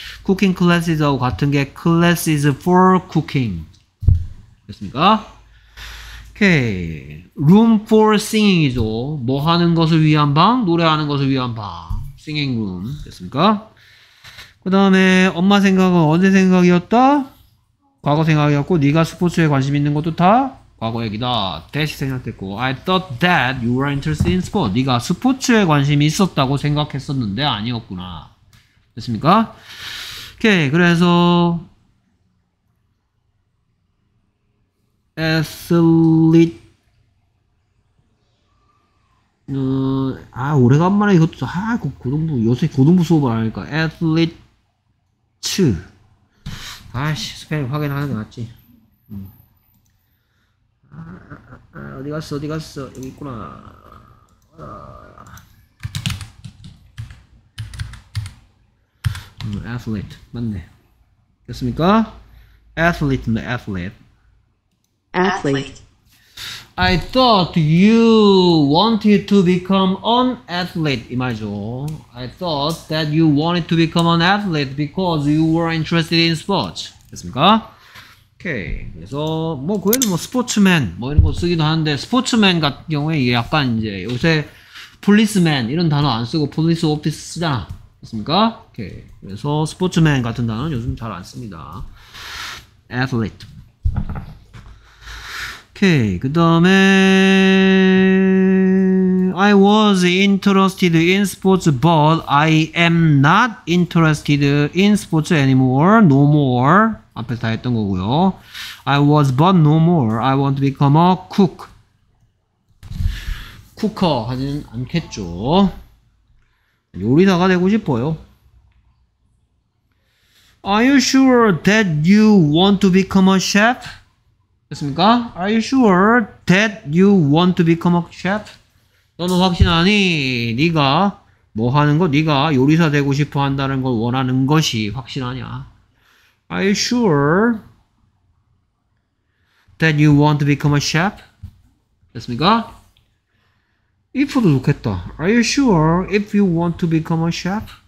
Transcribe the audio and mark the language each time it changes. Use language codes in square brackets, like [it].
[en] Cooking classes하고 [ko] 같은 게 [en] classes for cooking [ko] 됐습니까? 오케이. [en] Room for singing [ko] 이죠. 뭐 하는 것을 위한 방? 노래하는 것을 위한 방. [en] Singing room. [ko] 됐습니까? 그 다음에 엄마 생각은 언제 생각이었다? 과거 생각이었고 네가 스포츠에 관심 있는 것도 다 과거 얘기다. [en] That이 [ko] 생각됐고 [en] I thought that you were interested in sport. [ko] 네가 스포츠에 관심이 있었다고 생각했었는데 아니었구나. 됐습니까? 오케이, 그래서 athlete 아 오래간만에 이것도 아 고등부 요새 고등부 수업을 하니까 athlete 아이씨 스펠링 확인하는 게 낫지. 어디 갔어 어디 갔어 여기 있구나. 애슬릿 맞네. 됐습니까? 애슬릿인데 애슬릿. 애슬릿. [en] I thought you wanted to become an athlete. [ko] 이 말이죠. [en] I thought that you wanted to become an athlete because you were interested in sports. [ko] 됐습니까? 오케이. 그래서 뭐 그거는 뭐 스포츠맨 뭐 이런 거 쓰기도 하는데 스포츠맨 같은 경우에 약간 이제 요새 폴리스맨 이런 단어 안 쓰고 폴리스 오피스 쓰잖아. 됐습니까? 오케이. 그래서 스포츠맨 같은 단어는 요즘 잘 안 씁니다. 애슬릿. 오케이. 그 다음에 [en] I was interested in sports but I am not interested in sports anymore. No more. [ko] 앞에서 다 했던 거고요. [en] I was but no more. I want to become a cook. [ko] 쿠커 하진 않겠죠. 요리사가 되고 싶어요. [en] Are you sure that you want to become a chef? [ko] 됐습니까? [en] Are you sure that you want to become a chef? [ko] 너는 확신하니? 네가 뭐 하는 거? 네가 요리사 되고 싶어 한다는 걸 원하는 것이 확신하냐? [en] Are you sure that you want to become a chef? [ko] 됐습니까? If도 좋겠다. [en] Are you sure if you want to become a chef?